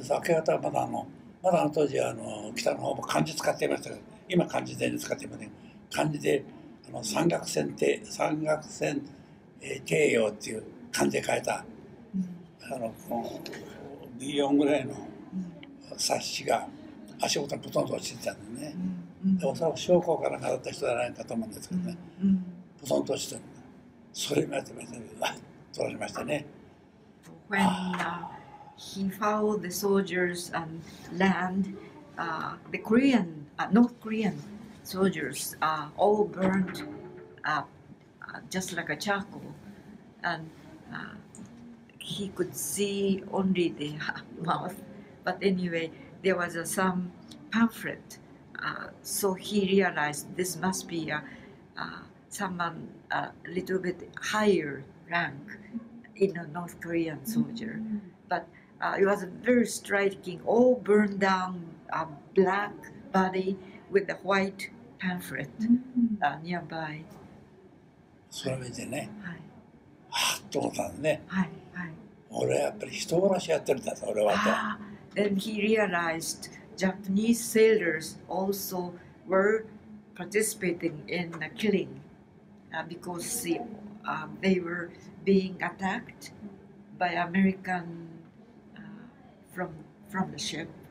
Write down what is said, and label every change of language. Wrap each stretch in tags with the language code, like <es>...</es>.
<ja>明け方はまだまだあの当時はあの北の方も漢字使ってましたけど今漢字全然使ってません漢字であの山岳線帝山岳線帝陽っていう漢字で書いたあのこの B4 ぐらいの冊子が足元にほとんど落ちてたんでね、うんうん、でおそらく将校から飾った人じゃないかと思うんですけどねほと、うんど落ちてるそれもやってましたけど取られましたね</ja> <en>When he followed the soldiers and land the Korean, North Korean soldiers all burned up just like a charcoal andHe could see only the mouth, but anyway, there was some pamphlet, so he realized this must be someone a little bit higher rank in a North Korean soldier. Mm-hmm. But it was very striking, all burned down, a black body with a white pamphlet mm-hmm. Nearby.</en> <ja>それ見てね、はい、あっと思ったんだね、はいはい、俺やっぱり人殺しやってるんだぞ俺はと。</ja> <en>And he realized Japanese sailors also were participating in the killing because they were being attacked by American from the ship.</en>